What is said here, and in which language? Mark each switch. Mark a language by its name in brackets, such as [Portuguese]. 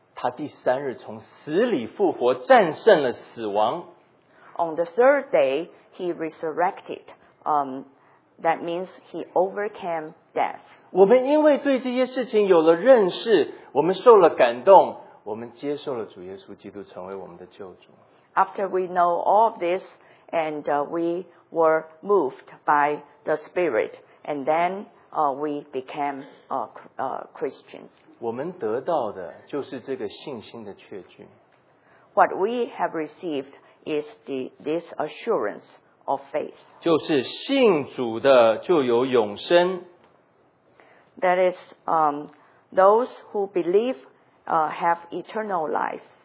[Chinese] 他第三日从死里复活, 战胜了死亡。 [English] On the third day, he resurrected. That means he overcame death. [Chinese] 我们因为对这些事情有了认识, 我们受了感动, 我们接受了主耶稣基督成为我们的救主。 [English] After we know all of this, and we were moved by the Spirit, and then we became Christians. [Chinese] 我们得到的就是这个信心的确据。 [English] What we have received is this assurance of faith. [Chinese] 就是信主的就有永生。 [English] That is, those who believe have eternal life.